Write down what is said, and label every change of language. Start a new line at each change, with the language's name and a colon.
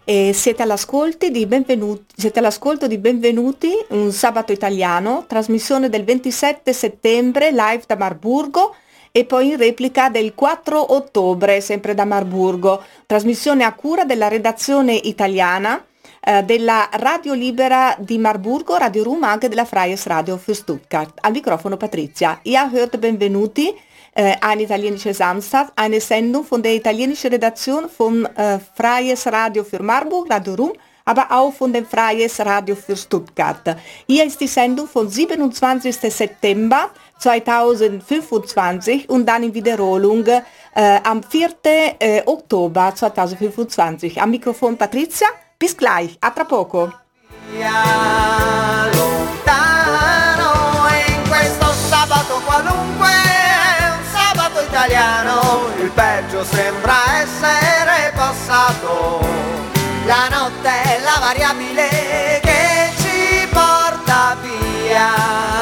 Italian: E siete all'ascolto di Benvenuti, un sabato italiano, trasmissione del 27 settembre, live da Marburgo. E poi in replica del 4 ottobre, sempre da Marburgo, trasmissione a cura della redazione italiana della Radio Libera di Marburgo, Radio Room, anche della Freies Radio für Stuttgart. Al microfono Patrizia.
German: Ihr hört benvenuti ein italienisches Samstag, eine Sendung von der italienischen Redaktion von Freies Radio für Marburg, Radio Room, aber auch von der Freies Radio für Stuttgart. Hier ist die Sendung vom 27. September 2025 und dann in Wiederholung am 4. Oktober 2025. Am Mikrofon Patrizia, bis gleich,
Italian: a tra poco. Lontano, in questo sabato qualunque, un sabato italiano, il peggio sembra essere passato. La notte è la variabile che ci porta via.